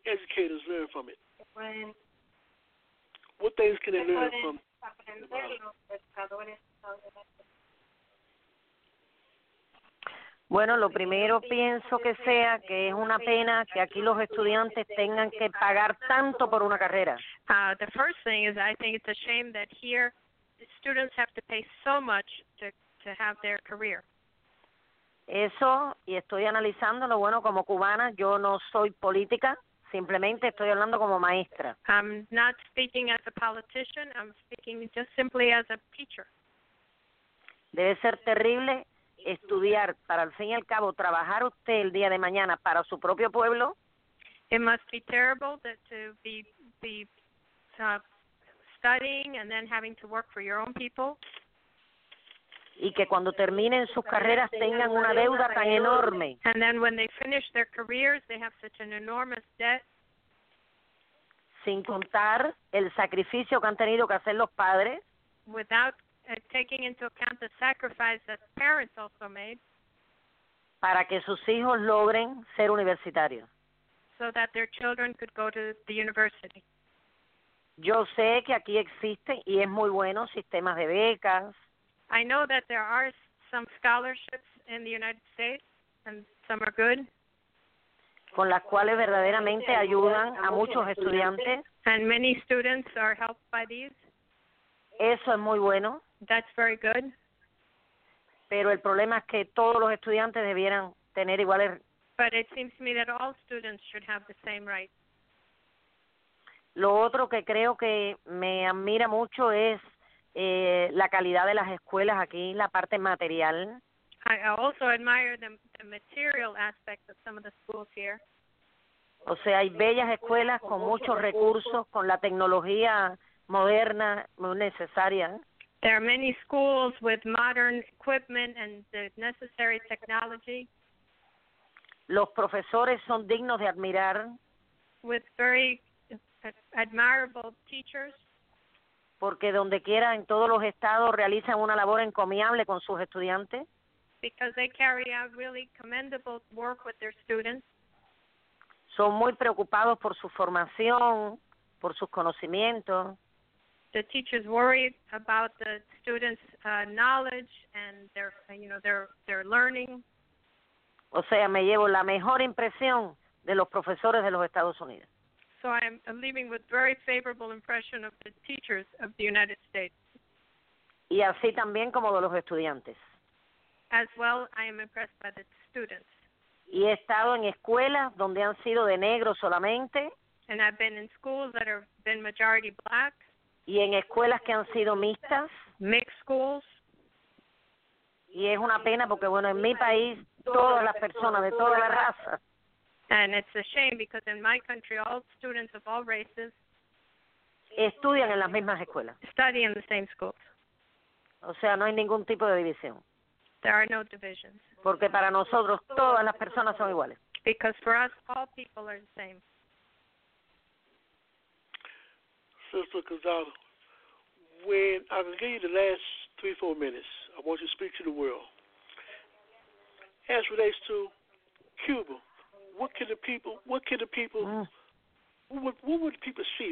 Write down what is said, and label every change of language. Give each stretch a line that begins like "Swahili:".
English: educators learn from it? What things can they learn from the model?
Spanish: Bueno, lo primero pienso que sea que es una pena que aquí los estudiantes tengan que pagar tanto por una carrera.
English: The first thing is I think it's a shame that here students have to pay so much to have their career.
Spanish: Eso, y estoy analizándolo, bueno, como cubana, yo no soy política, simplemente estoy hablando como maestra.
English: I'm not speaking as a politician, I'm speaking just simply as a teacher.
Spanish: Debe ser terrible estudiar para al fin y al cabo trabajar usted el día de mañana para su propio pueblo.
English: It must be terrible that to be studying and then having to work for your own people.
Spanish: Y que cuando terminen sus carreras tengan una deuda tan enorme.
English: And then when they finish their careers, they have such an enormous debt.
Spanish: Sin contar el sacrificio que han tenido que hacer los padres.
English: Without taking into account the sacrifice that parents also made,
Spanish: para que sus hijos logren ser universitarios,
English: so that their children could go to the university.
Spanish: Yo sé que aquí existen y es muy bueno sistemas de becas.
English: I know that there are some scholarships in the United States, and some are good.
Spanish: Con las cuales verdaderamente ayudan a muchos estudiantes.
English: And many students are helped by these.
Spanish: Eso es muy bueno.
English: That's very good.
Spanish: Pero el problema es que todos los estudiantes debieran tener iguales.
English: But it seems to me that all students should have the same rights.
Spanish: Lo otro que creo que me admira mucho es la calidad de las escuelas aquí, la parte material.
English: I also admire the material aspect of some of the schools here.
Spanish: O sea, hay bellas escuelas con muchos recursos, con la tecnología moderna, muy necesaria.
English: There are many schools with modern equipment and the necessary technology.
Spanish: Los profesores son dignos de admirar.
English: With very admirable teachers.
Spanish: Porque donde quiera, en todos los estados, realizan una labor encomiable con sus estudiantes.
English: Because they carry out really commendable work with their students.
Spanish: Son muy preocupados por su formación, por sus conocimientos.
English: The teachers worry about the students' knowledge and their, you know, their learning.
Spanish: O sea, me llevo la mejor impresión de los profesores de los Estados Unidos.
English: So I'm leaving with very favorable impression of the teachers of the United States.
Spanish: Y así también como de los estudiantes.
English: As well, I am impressed by the students.
Spanish: Y he estado en escuelas donde han sido de negros solamente.
English: And I've been in schools that have been majority black.
Spanish: Y en escuelas que han sido mixtas.
English: Mixed schools.
Spanish: Y es una pena porque, bueno, en mi país, todas las personas de toda la raza.
English: And it's a shame because in my country, all students of all races
Spanish: estudian en las mismas escuelas.
English: Study in the same schools.
Spanish: O sea, no hay ningún tipo de división.
English: There are no divisions.
Spanish: Porque para nosotros, todas las personas son iguales.
English: Because for us, all people are the same. Sister Gonzalo, when I can give you the last 3-4 minutes, I want you to speak to the world. As relates to Cuba, what would people see?